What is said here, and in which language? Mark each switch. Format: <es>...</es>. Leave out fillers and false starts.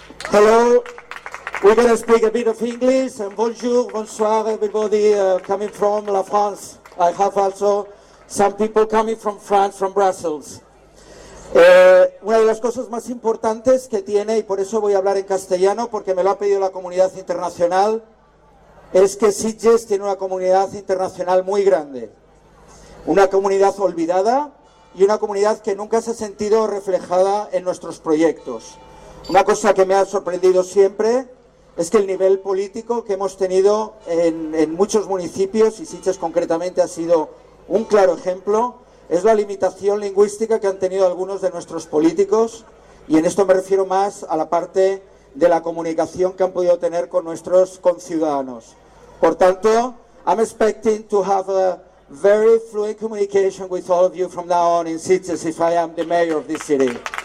<en>Hello, we're going to speak a bit of English and</en> <fr>bonjour, bonsoir</fr> <en>everybody coming from La France. I have also some people coming from France, from Brussels.</en> <es>Una de las cosas más importantes que tiene, y por eso voy a hablar en castellano, porque me lo ha pedido la comunidad internacional, es que Sitges tiene una comunidad internacional muy grande, una comunidad olvidada y una comunidad que nunca se ha sentido reflejada en nuestros proyectos. Una cosa que me ha sorprendido siempre es que el nivel político que hemos tenido en muchos municipios, y Sitges concretamente ha sido un claro ejemplo, es la limitación lingüística que han tenido algunos de nuestros políticos, y en esto me refiero más a la parte de la comunicación que han podido tener con nuestros conciudadanos. Por tanto,</es> <en>I'm expecting to have a very fluent communication with all of you from now on in Sitges if I am the mayor of this city.</en>